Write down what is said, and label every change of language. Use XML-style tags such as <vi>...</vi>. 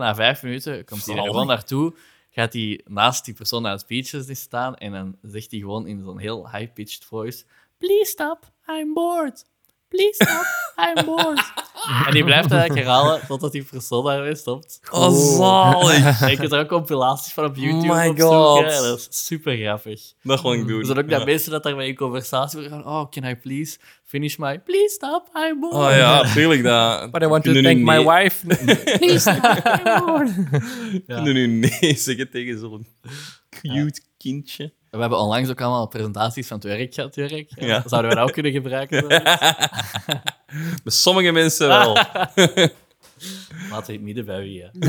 <nl>Na 5 minuten komt hij er gewoon naartoe, gaat hij naast die persoon aan het speeches staan en dan zegt hij gewoon in zo'n heel high-pitched voice:</nl> <en>"Please stop, I'm bored. Please stop, I'm bored."</en> <nl>En die blijft eigenlijk herhalen totdat die persoon daarmee stopt. Oh, zalig. Ik heb er ook compilaties van op YouTube opzoeken. Dat is super grappig. Dat gewoon doen. Er zijn ook dat mensen dat daarmee in conversatie gaan.</nl> <en>Oh, can I please finish my... Please stop, I'm bored.</en> <nl>Oh ja, natuurlijk dat.</nl> <en>But I want to thank my wife. Please stop, I'm bored.</en> <nl>Ja. Kunnen nu nee zeggen tegen zo'n cute kindje? We hebben onlangs ook allemaal presentaties van het werk gehad, Jurk. Ja. Zouden we dat ook kunnen gebruiken? Met sommige mensen wel. Laat het midden bij wie, hè.</nl>